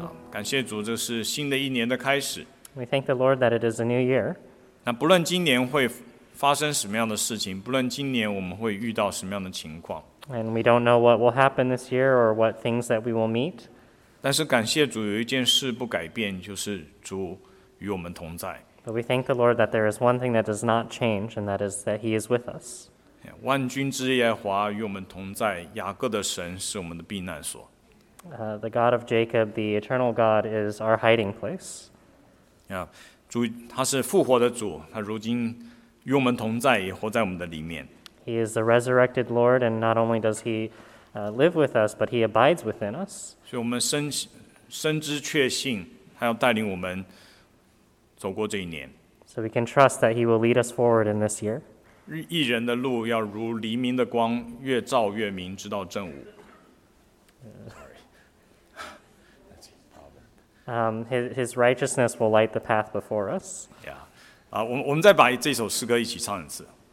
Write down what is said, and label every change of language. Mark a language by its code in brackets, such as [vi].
[zh] 感谢主，这是新的一年的开始。 [en] We thank the Lord that it is a new year. [zh] 那不论今年会发生什么样的事情，不论今年我们会遇到什么样的情况。 [en] And we don't know what will happen this year or what things that we will meet. [zh] 但是感谢主，有一件事不改变，就是主与我们同在。 [en] But we thank the Lord that there is one thing that does not change, and that is that He is with us. [zh] 万军之耶和华与我们同在，雅各的神是我们的避难所。 [en] The God of Jacob, the eternal God, is our hiding place. [zh] 主他是复活的主，他如今与我们同在，也活在我们的里面。 [en] He is the resurrected Lord, and not only does He live with us, but He abides within us. [zh] 所以我们深知确信，他要带领我们。走过这一年 [en] So we can trust that he will lead us forward in this year. [zh] 一人的路要如黎明的光，越照越明，直到正午。 [en] His righteousness will light the path before us. Yeah. [zh] 我们再把这首诗歌一起唱一次。